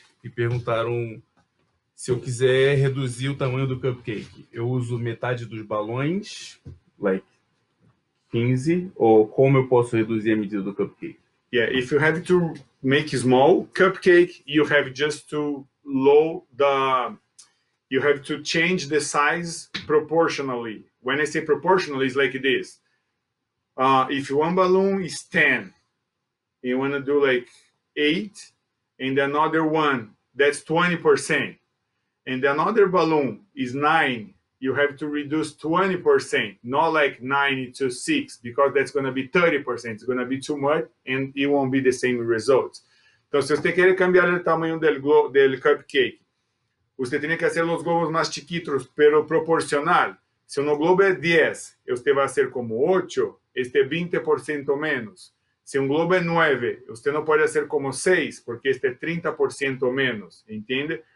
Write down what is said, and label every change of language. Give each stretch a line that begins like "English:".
Portuguese: E perguntaram se eu quiser reduzir o tamanho do cupcake, eu uso metade dos balões,
English: like 15,
Portuguese: ou como eu posso reduzir a medida do cupcake?
English: Yeah, if you have to make small cupcake, you have just to low the, you have to change the size proportionally. When I say proportionally, it's like this. If one balloon is 10, you want to do like 8, and another one, that's 20%. And another balloon is 9, you have to reduce 20%, not like 9 to 6, because that's going to be 30%. It's going to be too much, and it won't be the same results.
Portuguese: Então, se você quer cambiar o tamanho do cupcake, você tem que fazer os globos mais chiquitos, pelo proporcional. Se o globo é 10, você vai fazer como 8, este é 20% menos. Se um globo é 9, você não pode fazer como 6, porque este é 30% menos, entende?